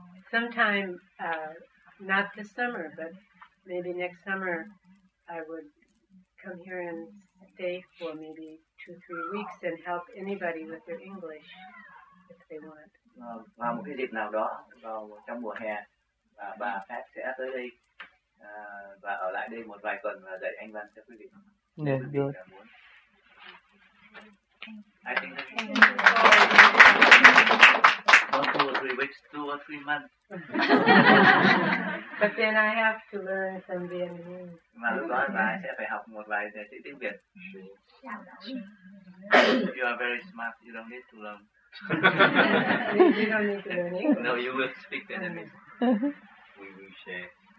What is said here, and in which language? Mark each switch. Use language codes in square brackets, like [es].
[en] Sometime not this summer, but maybe next summer I would come here and stay for maybe 2-3 weeks and help anybody with their English if they want. [vi] Vào một cái dịp nào đó vào trong mùa hè, bà Pháp sẽ tới đây và ở lại đây một vài tuần và dạy Anh văn cho quý vị. [en] Yeah, good. I think that's 1-3 weeks, 2-3 months. But then I have to learn some Vietnamese. [vi] Mà lúc đó bà sẽ phải học một vài chữ tiếng Việt. [en] You are very smart. You don't need to learn. You don't need to learn English. No, you will speak Vietnamese. We will share.